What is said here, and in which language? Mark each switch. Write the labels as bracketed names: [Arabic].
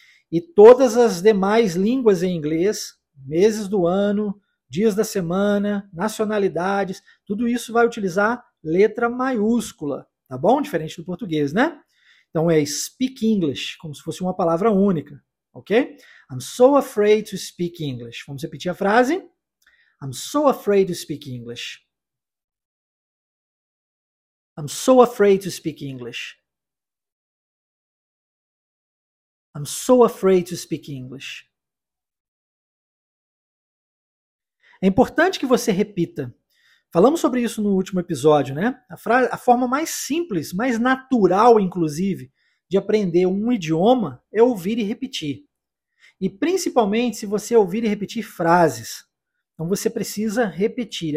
[Portuguese] E todas as demais línguas em inglês, meses do ano, dias da semana, nacionalidades, tudo isso vai utilizar... letra maiúscula, tá bom? Diferente do português, né? Então é [English] speak English, [Portuguese] como se fosse uma palavra única, ok? [English] I'm so afraid to speak English. [Portuguese] Vamos repetir a frase? [English] I'm so afraid to speak English. I'm so afraid to speak English. I'm so afraid to speak English. [Portuguese] É importante que você repita. Falamos sobre isso no último episódio, né? A forma mais simples, mais natural, inclusive, de aprender um idioma é ouvir e repetir. E principalmente se você ouvir e repetir frases. Então você precisa repetir.